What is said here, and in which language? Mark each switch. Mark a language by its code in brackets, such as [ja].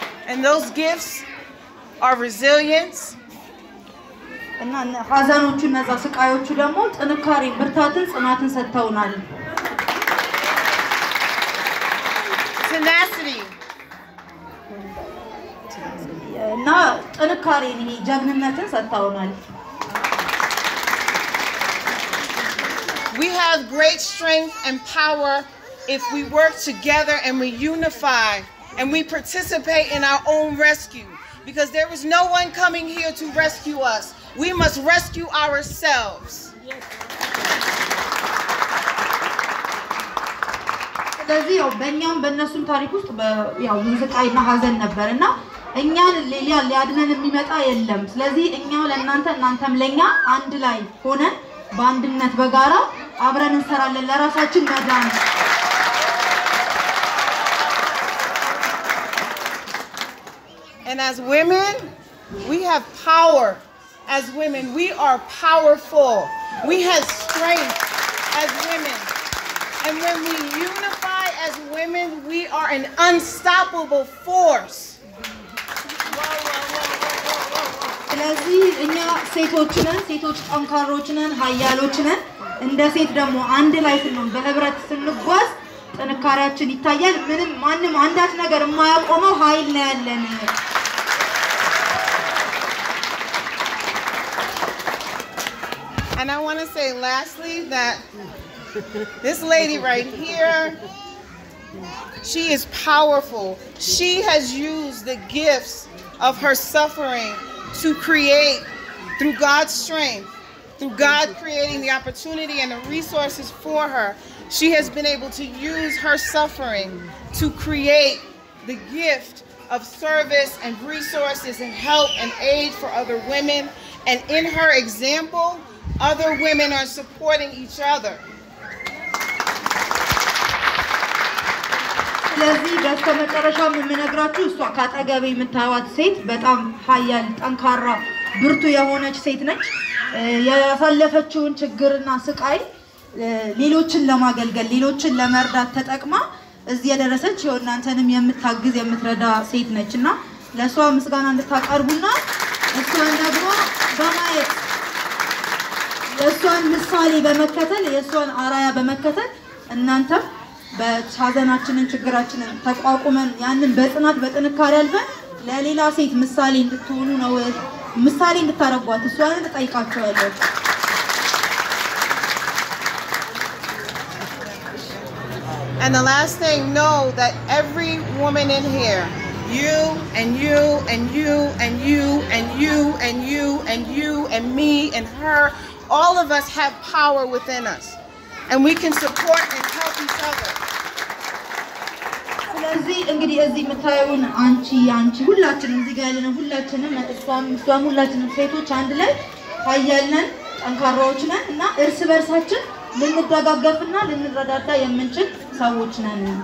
[en] And those gifts are resilience. [am] እና ሀዘኖቹ እና ስቃዮቹ ደግሞ ጥንካሬ ብርታትን ጽናትን ሰጥተውናል [en] tenacity [am] እና ጥንካሬን ይሄ ጀግንነትን ሰጥተውናል [en] we have great strength and power if we work together and we unify and we participate in our own rescue. Because there is no one coming here to rescue us. We must rescue ourselves. [am] ስለዚህ ያው በእኛም በእነሱም ታሪክ ውስጥ ያው ሙዚቃና ሀዘን ነበርና እኛን ለሊያ ሊያድነን የሚመጣ የለም። ስለዚህ እኛው ለእናንተ እናንተም ለኛ አንድ ላይ ሆነን በአንድነት በጋራ አብረን እንሰራለን ለራሳችን መዳን። [en] And as women, we have power. As women, we are powerful. We have strength as women. And when we unify as women, we are an unstoppable force. [am] ስለዚህ እኛ ሴቶች ነን ሴቶች ጠንካሮች ነን ኃያሎች ነን እንደ ሴት ደግሞ አንድ ላይ ስንሆን በህብረት ስንጓዝ ጥንካሬያችን ይታያል ምንም ማንም አንዳች ነገር የማያቆመው ኃይል ነው ያለን [en] And I want to say lastly that this lady right here, she is powerful. She has used the gifts of her suffering to create through God's strength, through God creating the opportunity and the resources for her. She has been able to use her suffering to create the gift of service and resources and help and aid for other women. And in her example, other women are supporting each other. [am] ስለዚህ በስተመጨረሻ ምንነግራችሁ እሷ ካጠገብ የምታዋት ሴት በጣም ኃያል ጠንካራ ብርቱ የሆነች ሴት ነች ያፈለፈችውን ችግርና ስቃይ ሌሎችን ለማገልገል ሌሎችን ለመርዳት ተጠቅማ እዚህ ያደረሰች የእናንተንም የምታግዝ የምትረዳ ሴት ነችና ለሷ ምስጋና እንድታቀርቡና እሷን ደግሞ በማየት የሷን ምሳሌ በመከተል የሷን አራያ በመከተል እናንተም በቻዘናችንን ችግራችንን ተቋቁመን ያንን በጥናት በጥንካሬ አልፈን ለሌላ ሴት ምሳሌ እንድትሆኑ ነው ምሳሌ እንድታረጓት እሷን እንጠይቃቸዋለን [en] And the last thing know that every woman in here you and you and you and you and you and you and you and me and her All of us have power within us and we can support and help each other. [am] ስለዚህ እንግዲህ እዚህ መታየውን አንቺ አንቺ ሁላችንም እዚህ ጋር ያለነው ሁላችንም እሷም ሁላችንም ሴቶች አንድ ላይ ታያልነን ጠንካራዎች ነን እና እርስ በርሳችን ልንደጋገፍና ልንረዳዳ የምንችል ሰዎች ነን።